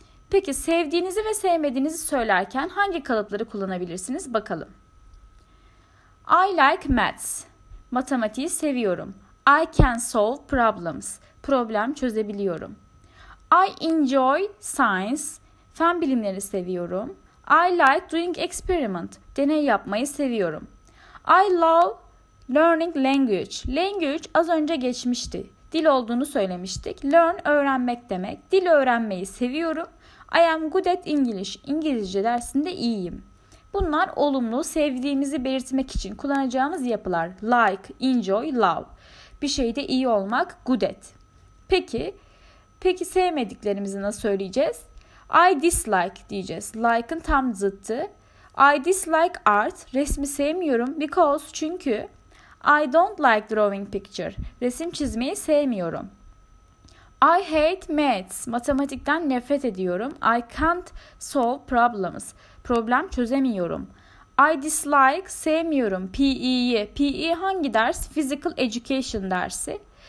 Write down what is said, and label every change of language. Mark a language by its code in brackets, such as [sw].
[tr] Peki sevdiğinizi ve sevmediğinizi söylerken hangi kalıpları kullanabilirsiniz? Bakalım. [en] I like maths. [tr] Matematiği seviyorum. [en] I can solve problems. [tr] Problem çözebiliyorum. [en] I enjoy science. [tr] Fen bilimleri seviyorum. [en] I like doing experiment. [tr] Deney yapmayı seviyorum. [en] I love learning language. [tr] Language az önce geçmişti. Dil olduğunu söylemiştik. Learn öğrenmek demek. Dil öğrenmeyi seviyorum. [en] I am good at English. [tr] İngilizce dersinde iyiyim. Bunlar olumlu, sevdiğimizi belirtmek için kullanacağımız yapılar. Like, enjoy, love. Bir şeyde iyi olmak, good at. Peki sevmediklerimizi nasıl söyleyeceğiz? [en] I dislike [tr] diyeceğiz. Like'ın tam zıttı. [en] I dislike art. [tr] Resmi sevmiyorum. Because, çünkü. [en] I don't like drawing picture. [tr] Resim çizmeyi sevmiyorum. [en] I hate maths. [tr] Matematikten nefret ediyorum. [en] I can't solve problems. [tr] Problem çözemiyorum. [en] I dislike, [tr] sevmiyorum. PE'yi. PE hangi ders? Physical education dersi.